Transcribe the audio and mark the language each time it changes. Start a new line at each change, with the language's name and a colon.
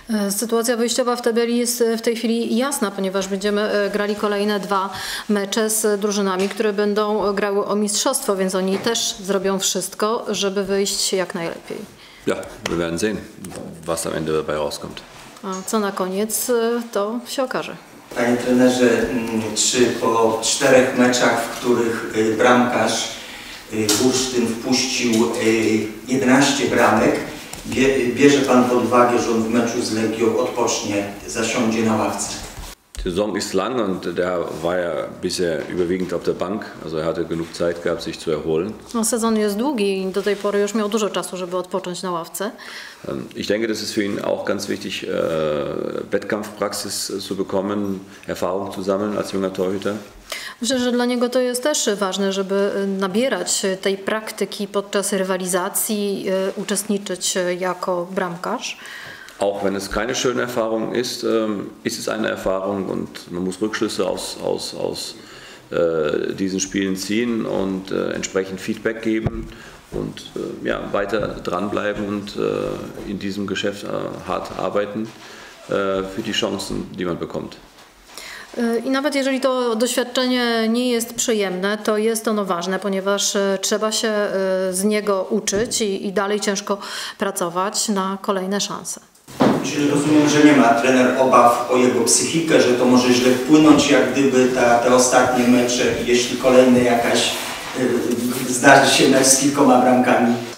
Polish: Sytuacja wyjściowa w tabeli jest w tej chwili jasna, ponieważ będziemy grali kolejne 2 mecze z drużynami, które będą grały o mistrzostwo, więc oni też zrobią wszystko, żeby wyjść jak najlepiej.
German: Ja, wir werden sehen, was am Ende dabei rauskommt.
Polish: A co na koniec, to się okaże. Panie trenerze, czy po 4 meczach, w których bramkarz Bursztyn wpuścił 11 bramek, bierze pan pod uwagę, że on w meczu z Legią odpocznie, zasiądzie na ławce?
German: Saison ist lang und der war ja bisher überwiegend auf der Bank, also er hatte genug Zeit gehabt, sich zu erholen.
Polish: No, sezon jest długi i do tej pory już miał dużo czasu, żeby odpocząć na ławce.
German: Ich denke, das ist für ihn auch ganz wichtig, Wettkampfpraxis zu bekommen, Erfahrung zu sammeln als junger Torhüter.
Polish: Myślę, że dla niego to jest też ważne, żeby nabierać tej praktyki podczas rywalizacji, uczestniczyć jako bramkarz.
German: Auch wenn es keine schöne Erfahrung ist, ist es eine Erfahrung und man muss Rückschlüsse aus diesen Spielen ziehen und entsprechend Feedback geben und ja, weiter dranbleiben und in diesem Geschäft hart arbeiten für die Chancen, die man bekommt.
Polish: I nawet jeżeli to doświadczenie nie jest przyjemne, to jest ono ważne, ponieważ trzeba się z niego uczyć i dalej ciężko pracować na kolejne szanse. Czyli rozumiem, że nie ma trener obaw o jego psychikę, że to może źle wpłynąć, jak gdyby te ostatnie mecze, jeśli kolejny jakaś zdarzy się mecz z kilkoma bramkami.